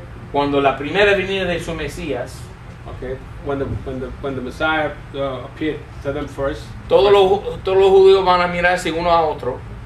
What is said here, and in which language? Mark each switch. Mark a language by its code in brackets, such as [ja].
[es] Cuando la primera venida de su Mesías. Okay. [en] When the Messiah appeared to them first. [es] Todos los judíos van a mirarse uno a otro.